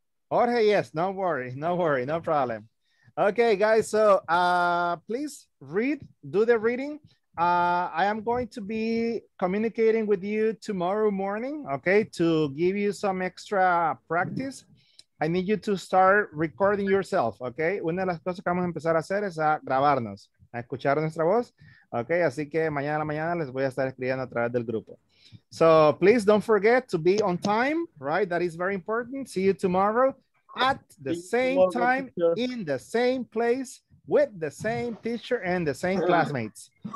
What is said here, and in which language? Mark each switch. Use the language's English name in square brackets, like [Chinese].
[English] Jorge, yes, no worry, no worry, no problem. Okay, guys, so please read, do the reading. I am going to be communicating with you tomorrow morning, okay, to give you some extra practice. I need you to start recording yourself, okay? [Spanish] Una de las cosas que vamos a empezar a hacer es a grabarnos, a escuchar nuestra voz, okay? Así que mañana a la mañana les voy a estar escribiendo a través del grupo. [English] So please don't forget to be on time, right? That is very important. See you tomorrow at the same time, in the same place, with the same teacher and the same classmates.